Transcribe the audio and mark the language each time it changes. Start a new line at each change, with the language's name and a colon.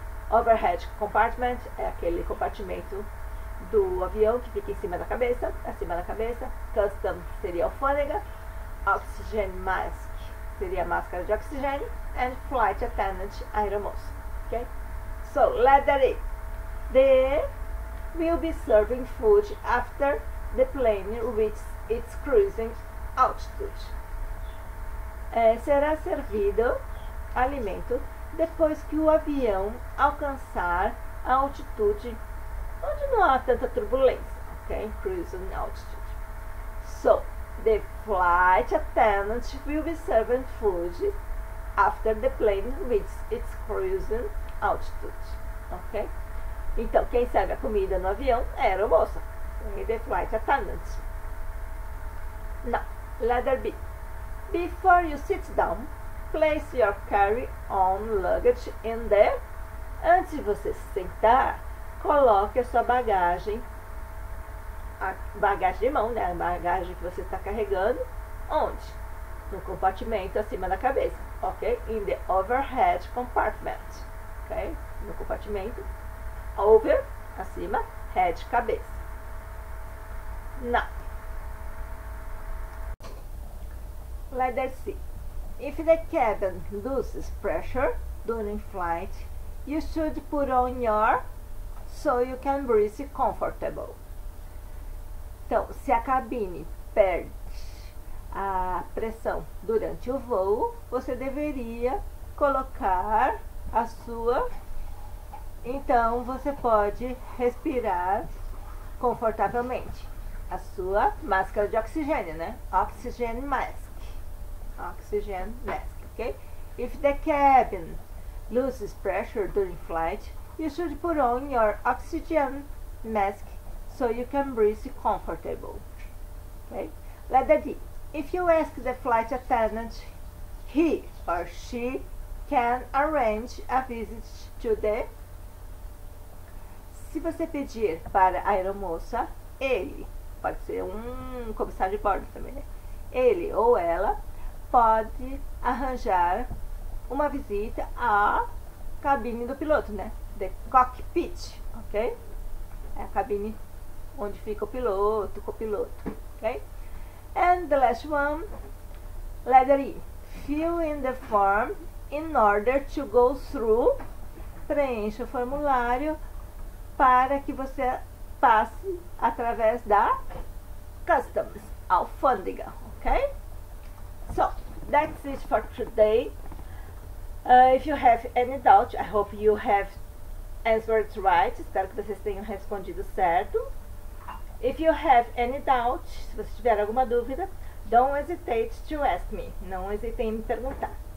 Portuguese: Overhead compartment é aquele compartimento do avião que fica em cima da cabeça, custom seria alfândega, oxygen mask seria máscara de oxigênio, and flight attendant, aeromoça. Ok? So, letter A.
English: They will be serving food after the plane reaches its cruising altitude.
Portuguese: Será servido alimento depois que o avião alcançar a altitude onde não há tanta turbulência, ok?
English: Cruising altitude. So, the flight attendant will be serving food after the plane reaches its cruising altitude, ok?
Portuguese: Então, quem serve a comida no avião é a aeromoça, okay?
English: The flight attendant. Now, letter B. Before you sit down, place your carry-on luggage in there.
Portuguese: Antes de você se sentar, coloque a sua bagagem, a bagagem de mão, né? A bagagem que você está carregando, onde? No compartimento acima da cabeça, ok?
English: In the overhead compartment, ok? No compartimento, over,
Portuguese: acima, head, cabeça. Now.
English: Let us see. If the cabin loses pressure during flight, you should put on your so you can breathe comfortable.
Portuguese: Então, se a cabine perde a pressão durante o voo, você deveria colocar a sua. Então, você pode respirar confortavelmente. A sua máscara de oxigênio, né? Oxygen mask.
English: Oxygen mask, ok? If the cabin loses pressure during flight, you should put on your oxygen mask so you can breathe comfortable. Okay? Letter D. If you ask the flight attendant, he or she can arrange a visit to the...
Portuguese: Se você pedir para a aeromoça, ele, pode ser um comissário de bordo também, né? Ele ou ela pode arranjar uma visita à cabine do piloto, né? The cockpit, ok? É a cabine onde fica o piloto, copiloto, ok?
English: And the last one, letter E. Fill in the form in order to go through.
Portuguese: Preencha o formulário para que você passe através da customs, alfândega, ok?
English: So, that's it for today. If you have any doubt, I hope you have answered right.
Portuguese: Espero que vocês tenham respondido certo. If you have any doubt, se você tiver alguma dúvida, don't hesitate to ask me. Não hesite em me perguntar.